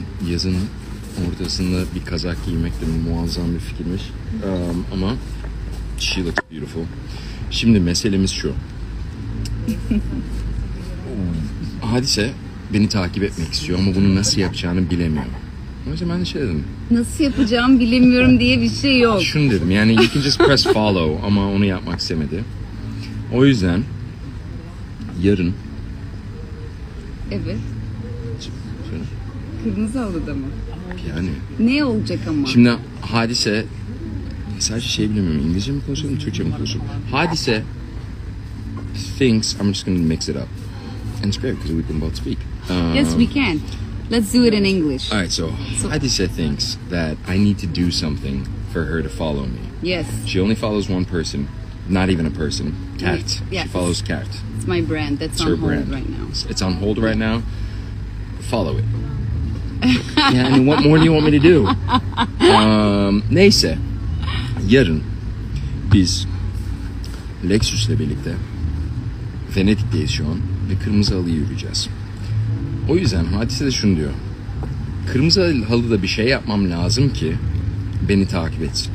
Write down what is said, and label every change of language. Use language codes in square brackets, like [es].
[tr] Yazın ortasında bir kazak giymek de muazzam bir fikirmiş. Ama [en] she looks beautiful. [tr] Şimdi meselemiz şu. Hadise beni takip etmek istiyor ama bunu nasıl yapacağını bilemiyor. O yüzden ben de şey dedim. Nasıl yapacağım bilemiyorum diye bir şey yok. Şunu dedim, yani [en] you can just press follow [tr] ama onu yapmak istemedi. O yüzden yarın... Evet. Kırmızı aldı mı? Yani. Ne olacak ama? Şimdi Hadise... Sadece şey bilemiyorum, İngilizce mi konuşuyorum, Türkçe mi konuşuyorum? [en] Hadise thinks I'm just going to mix it up. And it's great because we can both speak. Yes, we can. Let's do it in English. All right, so Hadise thinks that I need to do something for her to follow me. Yes. She only follows one person, not even a person, Kat. Yes. She follows Kat. It's my brand. That's on hold right now. It's on hold right now. Follow it. Yeah, I mean, what more do you want me to do? [tr] Neyse. Yarın biz Lexus'la birlikte Venedik'teyiz şu an ve kırmızı halıyı yürüyeceğiz. O yüzden Hadise de şunu diyor. Kırmızı halıda bir şey yapmam lazım ki beni takip etsin.